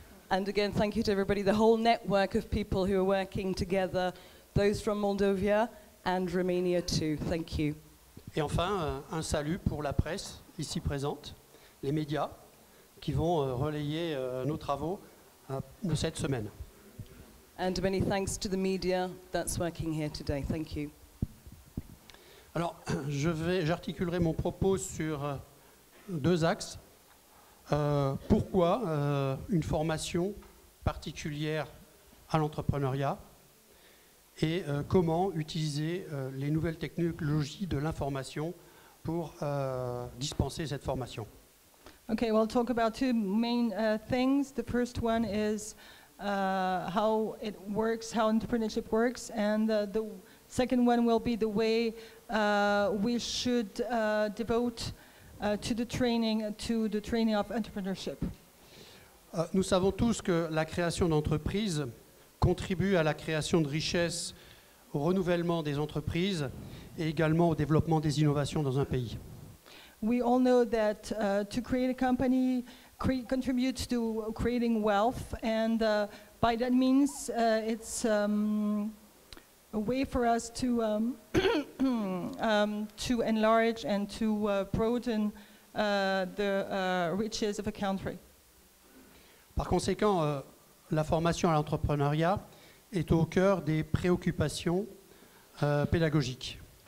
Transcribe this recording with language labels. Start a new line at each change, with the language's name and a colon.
English: And again, thank you to everybody, the whole network of people who are working together, those from Moldova and Romania too. Thank you.
French: Et enfin, un salut pour la presse ici présente, les médias qui vont relayer nos travaux de cette semaine.
English: And many thanks to the media that's working here today. Thank you.
French: Alors, j'articulerai mon propos sur deux axes. Pourquoi une formation particulière à l'entrepreneuriat et comment utiliser les nouvelles technologies de l'information pour dispenser cette formation.
English: Okay, we'll talk about two main things. The first one is how it works, how entrepreneurship works, and the second one will be the way we should devote to the training of entrepreneurship.
French: Nous savons tous que la création d'entreprises contribue à la création de richesses, au renouvellement des entreprises et également au développement des innovations dans un pays.
English: We all know that to create a company contributes to creating wealth, and by that means it's a way for us to to enlarge and to broaden the riches of a country.
French: Par conséquent, la formation à l'entrepreneuriat est au cœur des préoccupations pédagogiques.